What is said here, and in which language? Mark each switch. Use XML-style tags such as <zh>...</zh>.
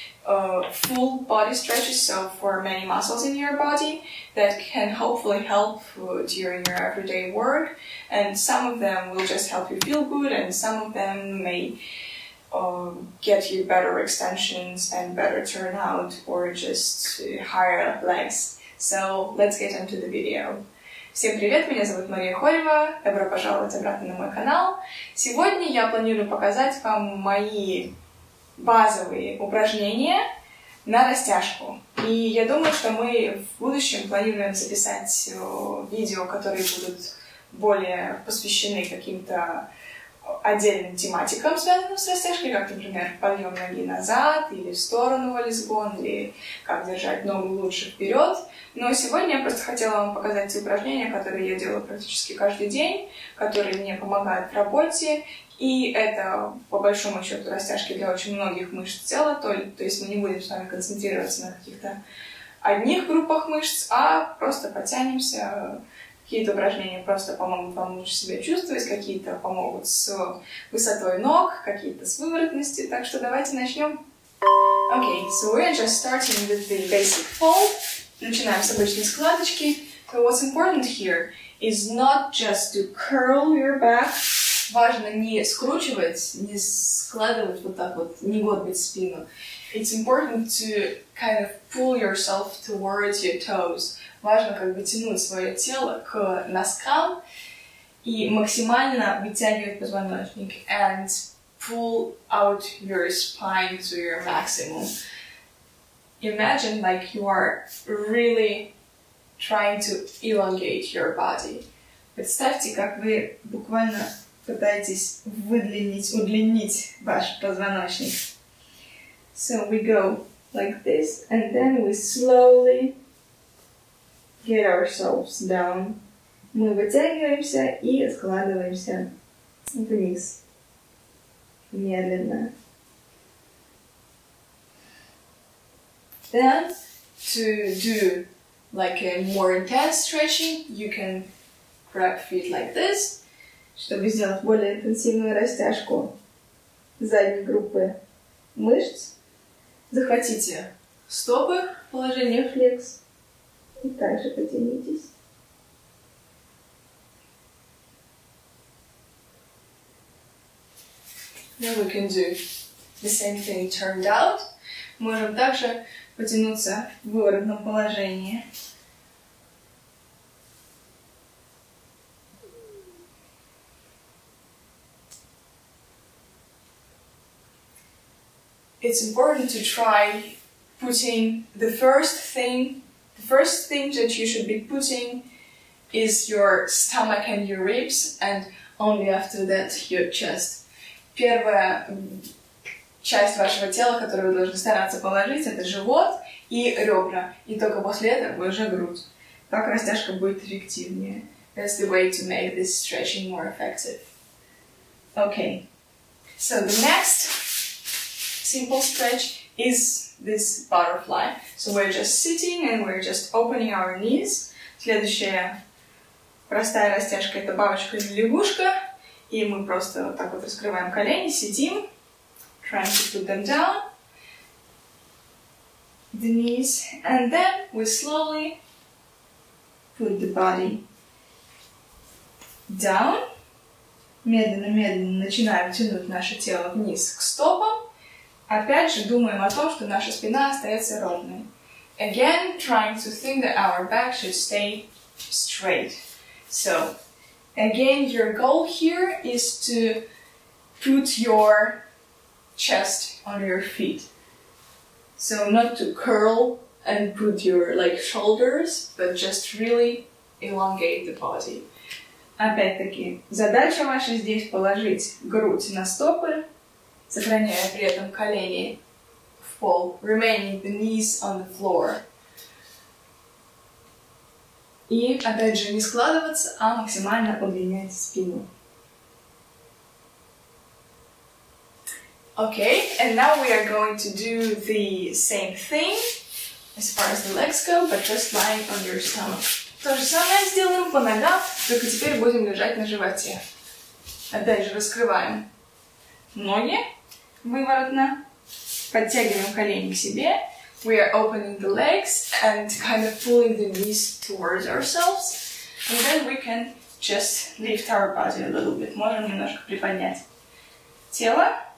<en>Full body stretches, so for many muscles in your body that can hopefully help during your everyday work, and some of them will just help you feel good and some of them may get you better extensions and better turnout or just higher legs. So let's get into the video.</en> <ru>Всем привет, меня зовут Мария Хоева, добро пожаловать обратно на мой канал. Сегодня я планирую показать вам мои базовые упражнения на растяжку. И я думаю, что мы в будущем планируем записать видео, которые будут более посвящены каким-то отдельным тематикам, связанным с растяжкой, как, например, подъем ноги назад или в сторону валлисгон, или как держать ногу лучше вперед. Но сегодня я просто хотела вам показать те упражнения, которые я делаю практически каждый день, которые мне помогают в работе. И это, по большому счету, растяжки для очень многих мышц тела, то есть мы не будем с вами концентрироваться на каких-то одних группах мышц, а просто потянемся, какие-то упражнения просто помогут вам лучше себя чувствовать, какие-то помогут с высотой ног, какие-то с выворотностью, так что давайте начнем.</ru> <en>Okay, so we're just starting with the basic fold.</en> <ru>Начинаем с обычной складочки.</ru> <en>So what's important here is not just to curl your back.</en> <ru>Важно не скручивать, не складывать вот так вот, не гнуть спину.</ru> <en>It's important to kind of pull yourself towards your toes.</en> <ru>Важно как бы тянуть свое тело к носкам и максимально вытягивать позвоночник.</ru> <en>And pull out your spine to your maximum. Imagine like you are really trying to elongate your body.</en> <ru>Представьте, как вы буквально пытаетесь выдлинить, удлинить ваш позвоночник.</ru> <en>So we go like this, and then we slowly get ourselves down.</en> <ru>Мы вытягиваемся и складываемся вниз. Медленно.</ru> <en>Then, to do like a more intense stretching, you can grab feet like this.</en> <ru>Чтобы сделать более интенсивную растяжку задней группы мышц, захватите стопы в положение флекс и также потянитесь.</ru> <en>Now we can do the same thing turned out.</en> <ru>Можем также потянуться в выворотном положении.</ru> <en>It's important to try putting the first thing that you should be putting is your stomach and your ribs, and only after that your chest.</en> <ru>Первая часть вашего тела, которую вы должны стараться положить, это живот и ребра, и только после этого уже грудь. Так растяжка будет эффективнее.</ru> <en>That's the way to make this stretching more effective. Okay, so the next simple stretch is this butterfly. So we're just sitting and we're just opening our knees.</en> <ru>Следующая простая растяжка — это бабочка или лягушка, и мы просто вот так вот раскрываем колени, сидим,</ru> <en>trying to put them down, the knees, and then we slowly put the body down.</en> <ru>Медленно-медленно начинаем тянуть наше тело вниз к стопам. Опять же, думаем о том, что наша спина остается ровной.</ru> <en>Again, trying to think that our back should stay straight. So, again, your goal here is to put your chest on your feet. So, not to curl and put your, like, shoulders, but just really elongate the body.</en> <ru>Опять-таки, задача ваша здесь — положить грудь на стопы, сохраняя при этом колени в пол,</ru> <en>remaining the knees on the floor.</en> <ru>И опять же не складываться, а максимально удлинять спину.</ru> <en>Okay, and now we are going to do the same thing as far as the legs go, but just lying on your stomach.</en> <ru>То же самое сделаем по ногам, только теперь будем лежать на животе. Опять же раскрываем ноги выворотно, подтягиваем колени к себе.</ru> <en>We are opening the legs and kind of pulling the knees towards ourselves. And then we can just lift our body a little bit.</en> <ru>Можем немножко приподнять тело.</ru>